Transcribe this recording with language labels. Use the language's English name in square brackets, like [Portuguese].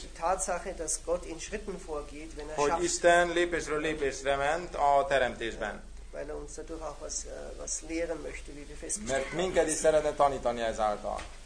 [German] Die Tatsache, dass Gott in Schritten vorgeht, wenn er [Hungarian] hogy [German] schafft. [Hungarian] Isten lépésről lépésre ment a teremtésben. [German] Weil er uns dadurch auch was lehren möchte, wie wir festgestellt haben. [Hungarian] Mert minket is szeretne tanítani ezáltal.